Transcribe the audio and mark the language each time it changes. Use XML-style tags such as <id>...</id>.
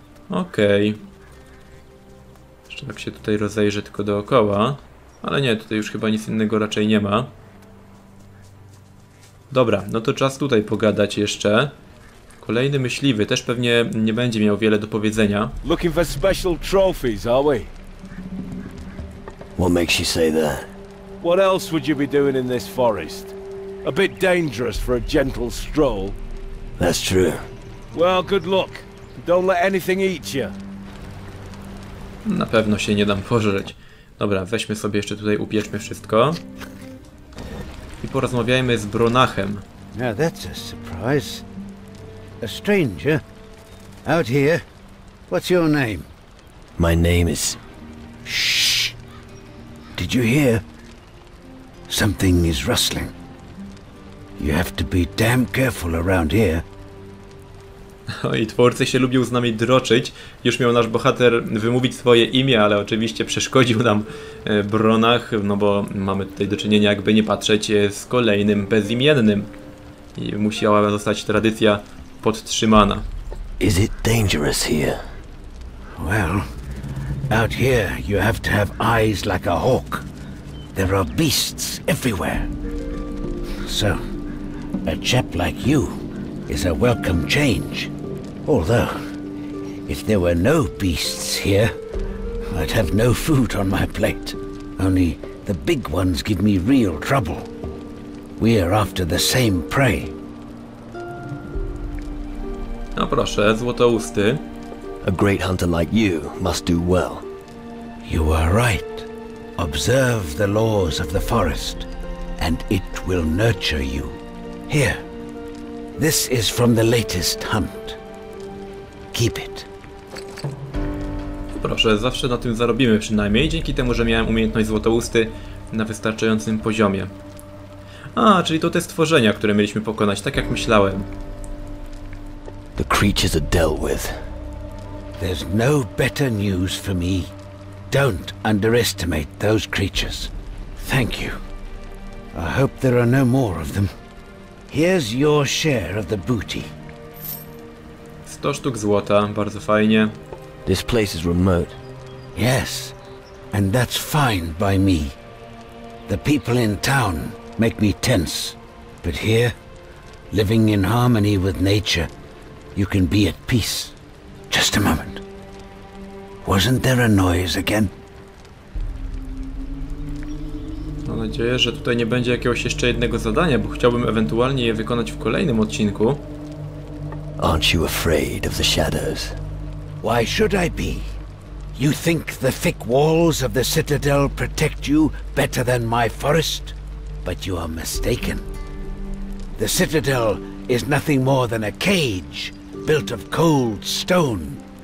<pl>Okej. Jeszcze tak się tutaj rozejrzę tylko dookoła. Ale nie, tutaj już chyba nic innego raczej nie ma. Dobra, no to czas tutaj pogadać jeszcze. Kolejny myśliwy, też pewnie nie będzie miał wiele do powiedzenia.</pl> <en>Looking for special trophies, are we? What makes you say that? What else would you be doing in this forest? A bit dangerous for a gentle stroll. That's true. Well, good luck. Don't let anything eat you.</en> <pl>Na pewno się nie dam pożreć. Dobra, weźmy sobie jeszcze tutaj, upieczmy wszystko. I porozmawiajmy z Bronachem.</pl> <en>Now that's a surprise. A stranger? Out here? What's your name? My name is... Shh! Did you hear? Something is rustling. You have to be damn careful around here.</en> <pl>I twórcy się lubił z nami droczyć. Już miał nasz bohater wymówić swoje imię, ale oczywiście przeszkodził nam Bronach, no bo mamy tutaj do czynienia, jakby nie patrzeć, z kolejnym bezimiennym. I musiała zostać tradycja podtrzymana.</pl> <en>Is it dangerous here? Well, out here you have to have eyes like a hawk. There are beasts everywhere. So, a chap like you is a welcome change. Although, if there were no beasts here, I'd have no food on my plate. Only the big ones give me real trouble. We are after the same prey.</en> <pl>No proszę, złotousty.</pl> <en>A great hunter like you must do well. You are right. Observe the laws of the forest, and it will nurture you. Here. This is from the latest hunt. Keep it.</en> <pl>Proszę, zawsze na tym zarobimy przynajmniej, dzięki temu, że miałem umiejętność złotousty na wystarczającym poziomie. A, czyli to te stworzenia, które mieliśmy pokonać, tak jak myślałem.</pl> <en>The creatures are dealt with. There's no better news for me. Don't underestimate those creatures. Thank you. I hope there are no more of them. Here's your share of the booty.</en> <pl>100 sztuk złota, bardzo fajnie.</pl> <en>This place is remote. Yes, and that's fine by me. The people in town make me tense. But here, living in harmony with nature, you can be at peace. Just a moment. Wasn't there a noise again?</en> <pl>Mam nadzieję, że tutaj nie będzie jakiegoś jeszcze jednego zadania, bo chciałbym ewentualnie je wykonać w kolejnym odcinku.</pl> <en>Aren't you afraid of the shadows? Why should I be? You think the thick walls of the citadel protect you better than my forest? But you are mistaken. The citadel is nothing more than a cage built of cold stone.</en>